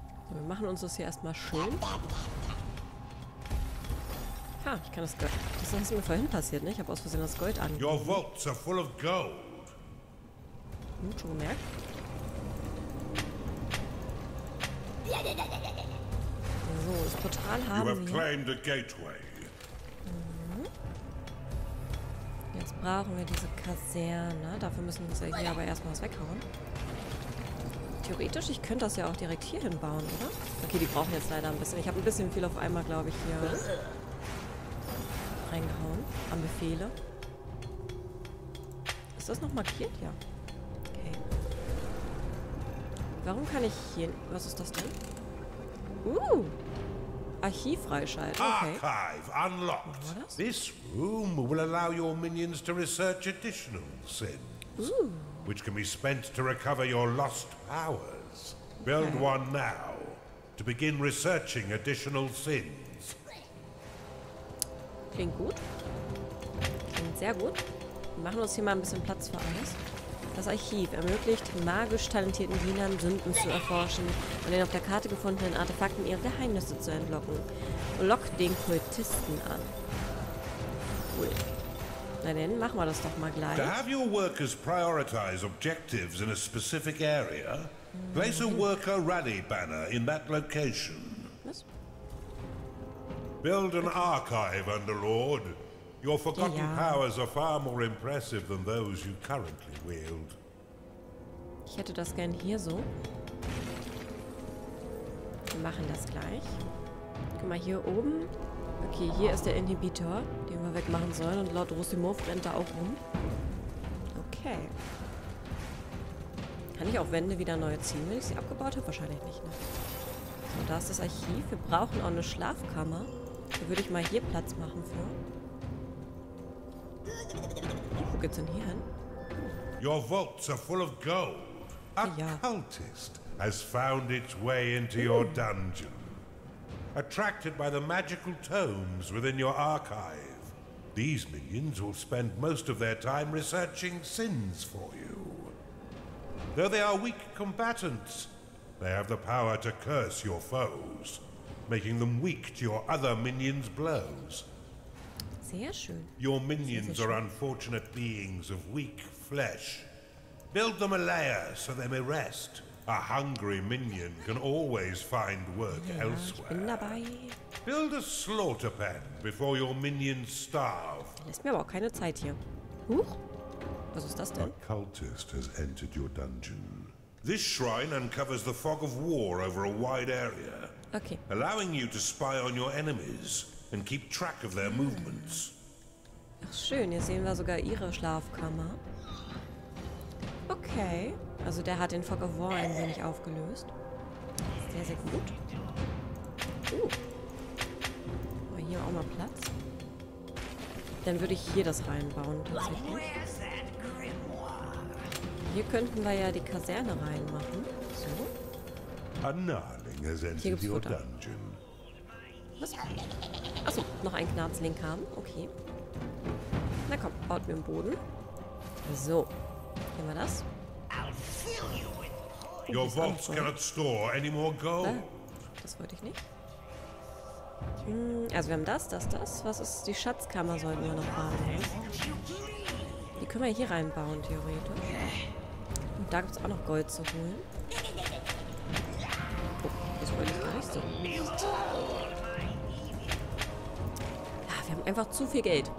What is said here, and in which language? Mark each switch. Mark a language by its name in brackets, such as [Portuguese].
[German] Wir machen uns das hier erstmal schön. Ha, ich kann das Gold. Das ist mir vorhin passiert, ne? Ich habe aus Versehen das Gold an. [English] Your vaults are full of gold. [German] Gut, schon gemerkt. So, das Portal haben wir. [English] You have claimed a gateway. [German] Jetzt brauchen wir diese Kaserne. Dafür müssen wir uns ja hier aber erstmal was weghauen. Theoretisch, ich könnte das ja auch direkt hier hinbauen, oder? Okay, die brauchen jetzt leider ein bisschen. Ich habe ein bisschen viel auf einmal, glaube ich, hier reingehauen. An Befehle. Ist das noch markiert? Ja. Okay. Warum kann ich hier... Was ist das denn? Archiv freischalten. Okay. [English] Archive unlocked. [German] Wo war das? [English] This room will allow your minions to research additional sins, which can be spent to recover your lost powers. Build one now to begin researching additional sins. [German] Klingt gut. Klingt sehr gut. Wir machen uns hier mal ein bisschen Platz für alles. Das Archiv ermöglicht magisch talentierten Dienern, Sünden zu erforschen und den auf der Karte gefundenen Artefakten ihre Geheimnisse zu entlocken. Lock den Kultisten an. Cool. Na denn, machen wir das doch mal gleich. [English] To have your workers prioritize objectives in a specific area, place a worker rally banner in that location. [German] Was? [English] Build an archive, Underlord. Your forgotten powers are far more impressive than those you currently wield. [German] Ich hätte das gern hier so. Wir machen das gleich. Guck mal, hier oben. Okay, hier ist der Inhibitor, den wir wegmachen sollen. Und laut Rosimov rennt da auch rum. Okay. Kann ich auch Wände wieder neu ziehen, wenn ich sie abgebaut habe? Wahrscheinlich nicht, ne? So, da ist das Archiv. Wir brauchen auch eine Schlafkammer. Da würde ich mal hier Platz machen für. Wo geht's denn hier hin? [English] Your vaults are full of gold. A cultist has found its way into your dungeon. Attracted by the magical tomes within your archive, these minions will spend most of their time researching sins for you. Though they are weak combatants, they have the power to curse your foes, making them weak to your other minions' blows. [German] Sehr schön. [English] Your minions are unfortunate beings of weak flesh. Build them a lair so they may rest. A hungry minion can always find work elsewhere. [German] Ich bin dabei. [English] Build a slaughter pen before your minions starve. [German] Lässt mir aber auch keine Zeit hier. Huch. Was ist das denn? [English] A cultist has entered your dungeon. This shrine uncovers the fog of war over a wide area. [German] Okay. [English] Allowing you to spy on your enemies and keep track of their movements. [German] Ach schön, hier sehen wir sogar ihre Schlafkammer. Okay, also der hat den Fog of War ein wenig aufgelöst. Sehr, sehr gut. Aber hier auch mal Platz. Dann würde ich hier das reinbauen, tatsächlich. Hier könnten wir ja die Kaserne reinmachen. So. Hier gibt's Futter. Was? Achso, noch ein Knarzling kam. Okay. Na komm, baut mir einen Boden. So. Nehmen wir das. Your vaults cannot store any more gold. Das wollte ich nicht. Also wir haben das. Was ist die Schatzkammer, sollten wir noch haben. Ne? Die können wir hier reinbauen, theoretisch. Und da gibt es auch noch Gold zu holen. Oh, das wollte ich gar nicht so. Wir haben einfach zu viel Geld.